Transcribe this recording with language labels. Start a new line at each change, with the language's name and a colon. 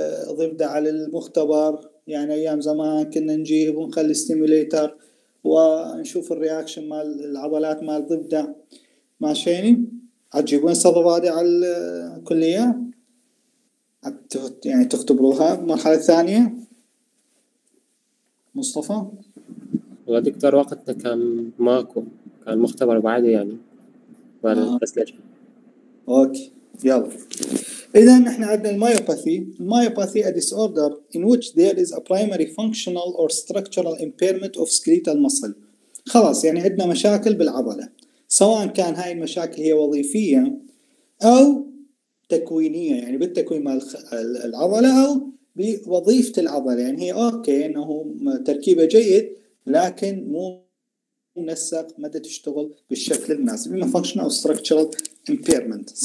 Arabic: ضبدة على المختبر، يعني ايام زمان كنا نجيب ونخلي ستيميوليتر ونشوف الرياكشن مال العضلات مال ضبدة ماشيني عجيب وين صدى بادي على الكليه يعني تختبروها مرحله ثانيه. مصطفى والله دكتور وقتنا كان ماكو كان المختبر بعده يعني بالفسلجة. اوكي يلا اذا احنا عندنا المايوباثي.
English: المايوباثي a disorder in which there is a primary functional or structural impairment of skeletal muscle.
Arabic: خلاص يعني عندنا مشاكل بالعضله، سواء كان هاي المشاكل هي وظيفيه او تكوينيه يعني بالتكوين مال العضله او بوظيفه العضله، يعني هي اوكي انه تركيبه جيد لكن مو منسق مدى تشتغل بالشكل المناسب بما
English: Functional او structural impairment.